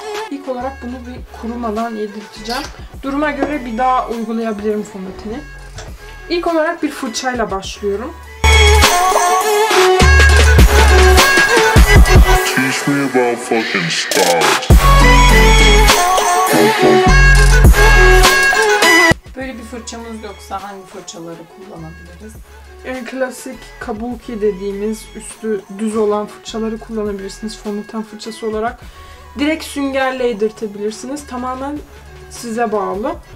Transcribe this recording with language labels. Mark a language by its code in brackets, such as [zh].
[tr] İlk olarak bunu bir kurumadan yedirteceğim. Duruma göre bir daha uygulayabilirim fondöteni. İlk olarak bir fırçayla başlıyorum. [en] Teach me about fucking stars. [tr] Böyle bir fırçamız yoksa hangi fırçaları kullanabiliriz? En klasik kabuki dediğimiz üstü düz olan fırçaları kullanabilirsiniz fondöten fırçası olarak. Direkt süngerle yedirtebilirsiniz. Tamamen size bağlı.